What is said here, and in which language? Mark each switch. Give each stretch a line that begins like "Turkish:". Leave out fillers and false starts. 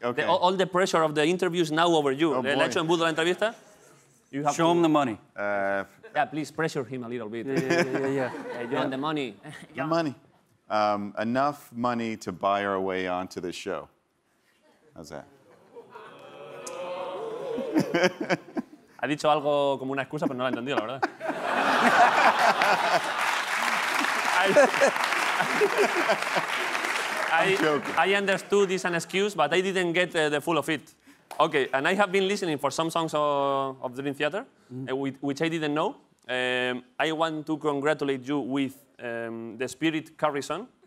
English: All the pressure of the interview is now over you. Oh, boy. Show him the money. Yeah, please pressure him a little bit. Yeah. John, the money. The money. Enough money to buy our way onto the show. How's that?
Spanish: Ha dicho algo como una excusa, pero no lo ha entendido, la verdad.
English: I understood this an excuse, but I didn't get the full of it. Okay, and I have been listening for some songs of Dream Theater, which I didn't know. I want to congratulate you with the Spirit Carries On.